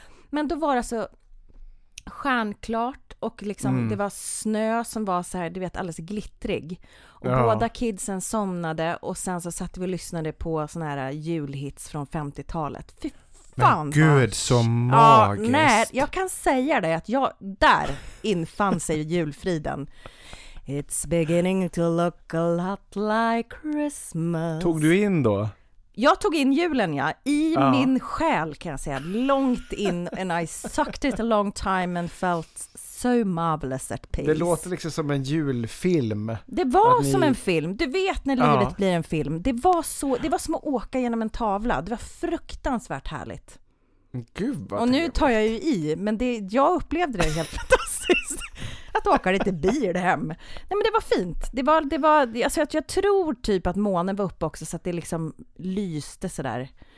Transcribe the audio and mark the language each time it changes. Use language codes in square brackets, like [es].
[sv] Men då var det så stjärnklart och liksom det var snö som var så här, du vet, alldeles glittrig. Och båda kidsen somnade och sen så satt vi och lyssnade på sån här julhits från 50-talet. Fy fan! Gud, så magiskt! Ja, nej, jag kan säga det att jag, där infann sig julfriden. [en] It's beginning to look a lot like Christmas. [sv] Tog du in då? Jag tog in julen, ja. I min själ, kan jag säga. Långt in. [en] And I sucked it a long time and felt so marvelous at peace. [sv] Det låter liksom som en julfilm. Det var som en film. Du vet när livet blir en film. Det var som att åka genom en tavla. Det var fruktansvärt härligt. Gud, vad och nu tar jag ju i. Men det, jag upplevde det helt fantastiskt. Att åka lite bil hem. Nej, men det var fint. Det var, alltså jag tror typ att månen var uppe också så att det liksom lyste så där.